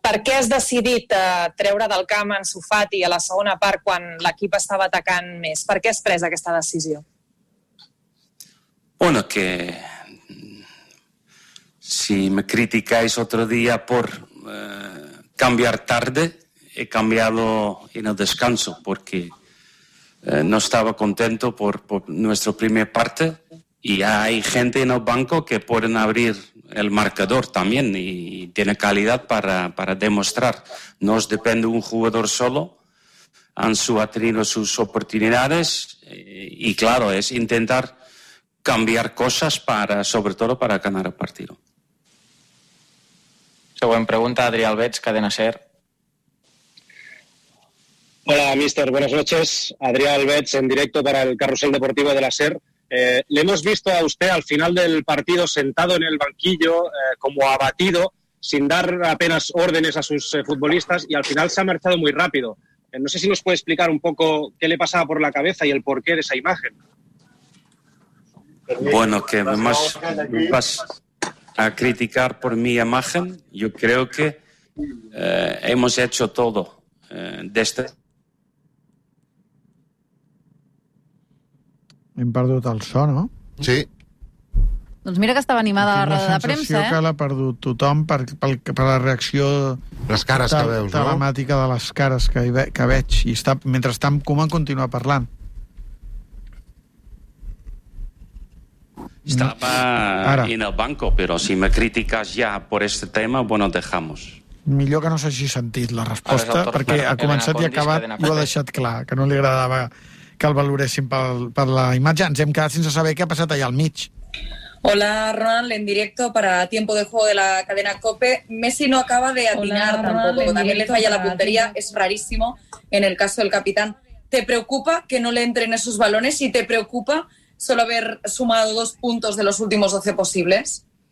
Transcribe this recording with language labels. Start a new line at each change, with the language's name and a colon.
Catalan: Per què has decidit treure del camp en Sofati a la segona part quan l'equip estava atacant més? Per què has pres aquesta decisió?
Spanish: Bueno, que si me criticáis otro día por cambiar tarde, he cambiado en el descanso porque no estaba contento por nuestro primer parte y hay gente en el banco que pueden abrir el marcador también y tiene calidad para demostrar. No os depende un jugador solo. Ansu ha tenido sus oportunidades y claro, es intentar cambiar cosas para, sobre todo para ganar el partido.
Catalan: Següent pregunta, Adrià Albets, Cadena SER.
Spanish: Hola, míster, buenas noches. Adrià Albets, en directo para el Carrusel Deportivo de la SER. Le hemos visto a usted al final del partido sentado en el banquillo, como abatido, sin dar apenas órdenes a sus futbolistas, y al final se ha marchado muy rápido. No sé si nos puede explicar un poco qué le pasaba por la cabeza y el porqué de esa imagen. Bueno, que más vas a criticar por mi imagen, yo creo que hemos hecho todo desde...
Catalan: Hem perdut el so, no? Sí. Doncs mira que estava animada la roda de premsa, eh? Que l'ha perdut tothom per la reacció... Les cares que veus, no? ...telemàtica de les cares que veig. I està, mentre està en Koeman, continua parlant.
Spanish: Estaba ara en el banco, pero si me criticas ya por este tema, bueno, dejamos.
Catalan: Millor que no s'hagi sentit la resposta, perquè ha començat i ha acabat i ho ha deixat clar, que no li agradava que el valoréssim per la imatge. Ens hem quedat sense saber què ha passat allà al mig.
Spanish: Hola, Ronald, en directo para Tiempo de Juego de la cadena COPE. Messi no acaba de atinar. Hola, tampoco. Ronald, también le falla la puntería, es rarísimo en el caso del capitán. ¿Te preocupa que no le entren esos balones y te preocupa solo haber sumado 2 puntos de los últimos 12 posibles?